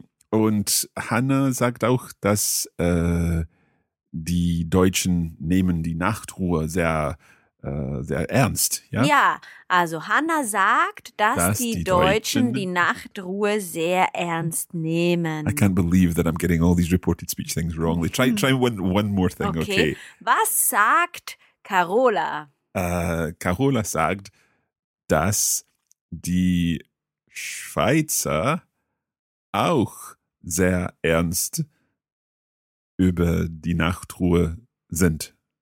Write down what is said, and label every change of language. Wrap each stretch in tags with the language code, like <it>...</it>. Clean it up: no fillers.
<de>Und Hannah sagt auch, dass die Deutschen nehmen die Nachtruhe sehr ernst. Ja, ja, also Hannah sagt, dass die Deutschen die Nachtruhe sehr ernst nehmen.</de> <en>I can't believe that I'm getting all these reported speech things wrongly. Try one more thing, okay?</en> <de>Was sagt Carola? Carola sagt, dass die Schweizer auch sehr ernst über die Nachtruhe sind.</de>